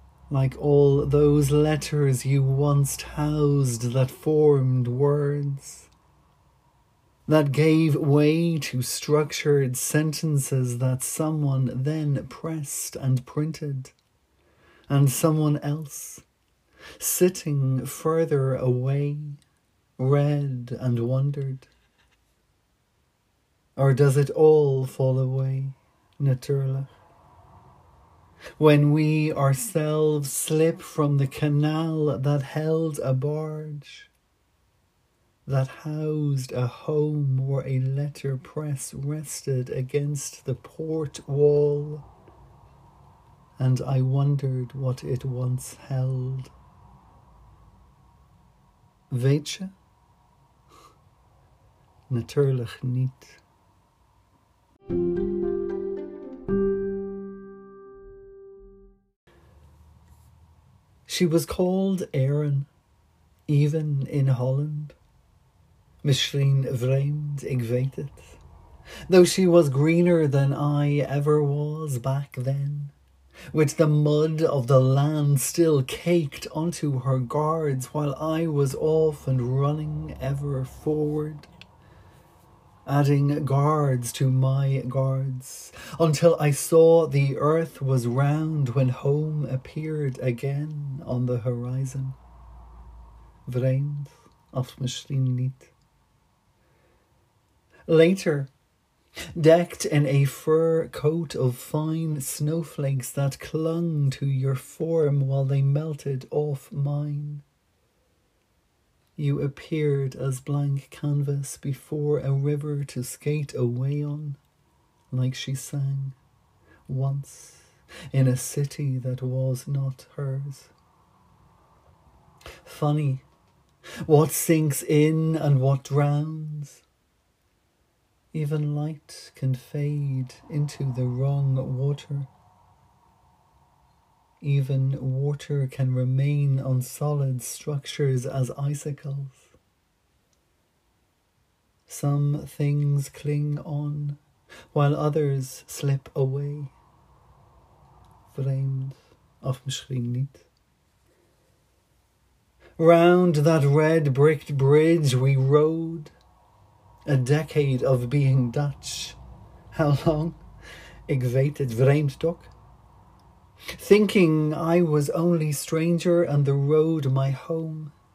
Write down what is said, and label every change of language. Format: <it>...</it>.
<en>Like all those letters you once housed that formed words, that gave way to structured sentences that someone then pressed and printed, and someone else, sitting further away, read and wondered. Or does it all fall away, natuurlijk? When we ourselves slip from the canal that held a barge, that housed a home where a letter press rested against the port wall, and I wondered what it once held.</en> <nl>Weet je? Natuurlijk niet.</nl> <en>She was called Erin, even in Holland.</en> <nl>Misschien vreemd, ik weet het.</nl> <en>Though she was greener than I ever was back then, with the mud of the land still caked onto her guards while I was off and running ever forward, adding guards to my guards, until I saw the earth was round when home appeared again on the horizon.</en> <nl>Vreemd, of misschien niet.</nl> <en>Later, decked in a fur coat of fine snowflakes that clung to your form while they melted off mine, you appeared as blank canvas before a river to skate away on, like she sang once in a city that was not hers. Funny, what sinks in and what drowns. Even light can fade into the wrong water. Even water can remain on solid structures as icicles. Some things cling on, while others slip away.</en> <nl>Vreemd, of misschien niet.</nl> <en>Round that red-bricked bridge we rode, A decade of being Dutch. How long?</en> <nl>Ik weet het vreemd toch.</nl> <en>Thinking I was only stranger and the road my home.</en>